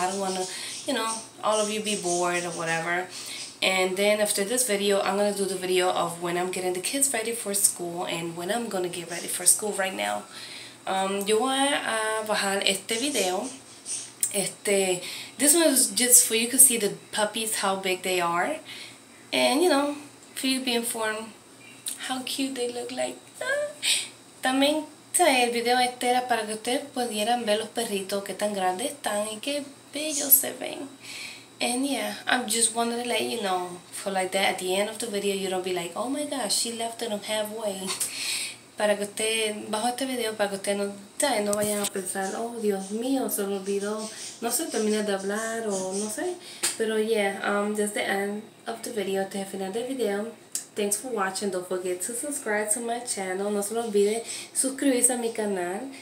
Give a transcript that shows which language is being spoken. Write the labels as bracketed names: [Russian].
[English] I don't want to, you know, all of you be bored or whatever. And then after this video, I'm gonna do the video of when I'm getting the kids ready for school and when I'm gonna get ready for school right now. Yo voy a bajar este video. This one is just for you to see the puppies, how big they are. And, you know, for you to be informed how cute they look like. [Spanish] También, el video era para que ustedes pudieran ver los perritos, que tan grandes están y que bellos se ven. [English] And, yeah, I just wanted to let you know, for like that, at the end of the video, you don't be like, oh my gosh, she left them halfway. [Spanish] Para que ustedes, bajo este video, para que ustedes no, ¿sabes? No vayan a pensar, oh, Dios mío, se lo olvidó. No sé, termina de hablar o no sé. Pero, yeah, that's the end of the video, hasta el final del video. Thanks for watching. [English] Don't forget to subscribe to my channel. No se lo olvide, suscribirse a mi canal.